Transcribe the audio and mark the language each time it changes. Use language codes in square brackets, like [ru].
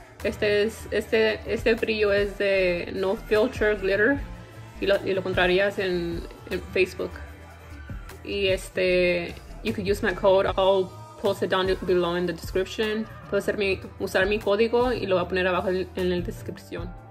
[es] Este brillo es de No Filter Glitter, y lo encontrarías en Facebook. Y este, [en] you could use my code. I'll post it down below in the description. [es] Puedes usar mi código y lo voy a poner abajo en la descripción.